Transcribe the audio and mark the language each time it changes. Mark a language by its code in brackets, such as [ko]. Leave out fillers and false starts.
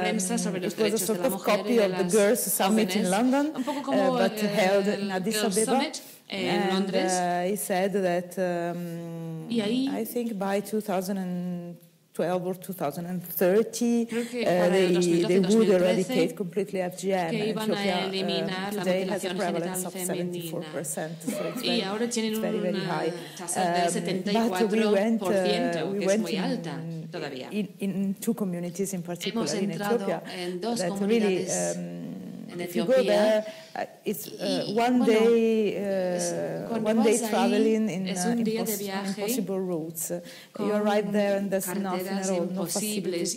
[es] de prensa sobre los derechos de la mujer y de las jóvenes, un poco como el Girls Summit en Londres. [en] He said that I think by 2012 or 2030 they would eradicate completely FGM. [es] Que iban a eliminar la mutilación prevalence genital femenina. [en] So [es] y ahora tienen una tasa del 74%, que es muy alta. Todavía [en] in two communities in particular, [es] hemos entrado [en] in Ethiopia, [es] en dos comunidades en Etiopía. Es un día de viaje con carreteras imposibles.